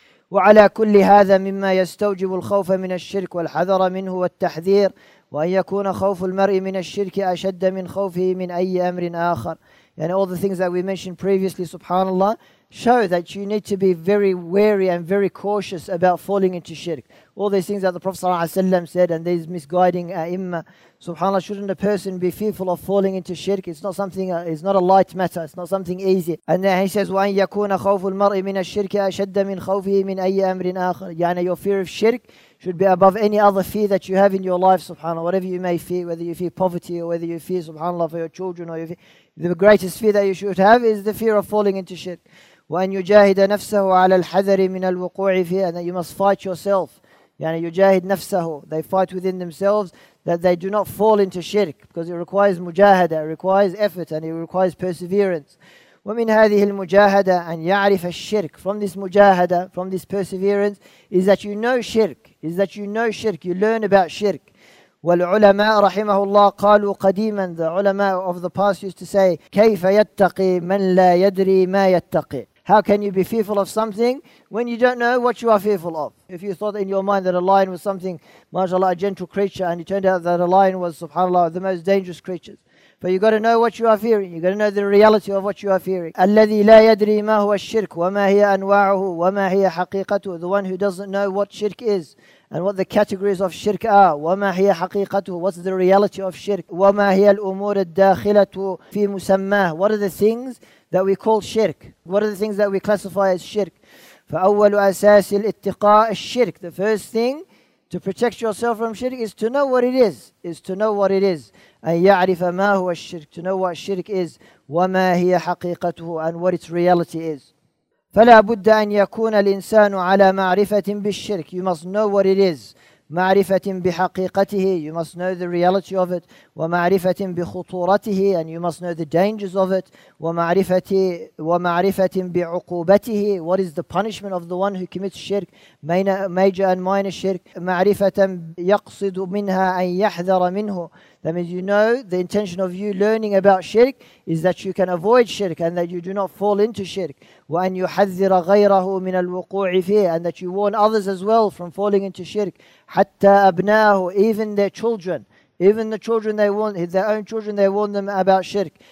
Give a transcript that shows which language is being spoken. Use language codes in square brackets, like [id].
[ar] وعلى كل هذا مما يستوجب الخوف من الشرك والحذر منه والتحذير وأن يكون خوف المرء من الشرك أشد من خوفه من أي أمر آخر. [en] And all the things that we mentioned previously, subhanAllah, show that you need to be very wary and very cautious about falling into shirk. All these things that the Prophet ﷺ said, and these misguiding a'imma, subhanAllah, shouldn't a person be fearful of falling into shirk? It's not something, it's not a light matter, it's not something easy. And then he says, [ar] وَأَنْ يَكُونَ خَوْفُ الْمَرْءِ مِنَ الشِّرْكِ أَشَدَّ مِنْ خَوْفِهِ مِنْ أَيَّ أَمْرٍ آخَرٍ. [en] يعني your fear of shirk should be above any other fear that you have in your life, subhanAllah. Whatever you may fear, whether you fear poverty or whether you fear, subhanAllah, for your children, or you fear, the greatest fear that you should have is the fear of falling into shirk. [ar] وَأَنْ يُجَاهِدَ نَفْسَهُ عَلَى الْحَذَرِ مِنَ الْوُقُوعِ فِيهِ. [en] And that you must fight yourself. [ar] يعني يُجَاهِدْ نَفْسَهُ. [en] They fight within themselves that they do not fall into shirk, because it requires mujahada, it requires effort, and it requires perseverance. [ar] وَمِنْ هَذِهِ الْمُجَاهَدَ أَنْ يَعْرِفَ الشِّرْك. [en] From this mujahada, from this perseverance, is that you know shirk, is that you know shirk, you learn about shirk. [ar] والعلماء رحمه الله قالوا قديما, [en] the ulama of the past used to say, [ar] كيف يتقي من لا يدري ما يتقي. [en] How can you be fearful of something when you don't know what you are fearful of? If you thought in your mind that a lion was something, mashallah, a gentle creature, and it turned out that a lion was, subhanAllah, the most dangerous creatures. But you got to know what you are fearing. You got to know the reality of what you are fearing. [ar] الذي لا يدري ما هو الشرك وما هي أنواعه وما هي حقيقته. [en] The one who doesn't know what shirk is and what the categories of shirk are. [ar] وما هي حقيقته. [en] What's the reality of shirk. [ar] وما هي الأمور الداخلة في مسماه. [en] What are the things that we call shirk? What are the things that we classify as shirk? [ar] فأول أساس الاتقاء الشرك. [en] The first thing to protect yourself from shirk is to know what it is. Is to know what it is. [ar] أن يعرف ما هو الشرك. [en] To know what shirk is. [ar] وما هي حقيقته. [en] And what its reality is. [ar] فلا بد أن يكون الإنسان على معرفة بالشرك. [en] You must know what it is. [ar] معرفة بحقيقته. [en] You must know the reality of it. [ar] ومعرفة بخطورته. [en] And you must know the dangers of it. [ar] ومعرفة بعقوبته. [en] What is the punishment of the one who commits shirk? Major and minor shirk. [ar] معرفة يقصد منها أن يحذر منه. [en] That means you know the intention of you learning about shirk is that you can avoid shirk and that you do not fall into shirk. [ar] وَأَنْ يُحَذِّرَ غَيْرَهُ مِنَ الْوُقُوعِ فِيهِ. [en] And that you warn others as well from falling into shirk. [ar] حَتَّى أَبْنَاهُ. [en] Even their children. Even the children they warn, their own children, they warn them about shirk.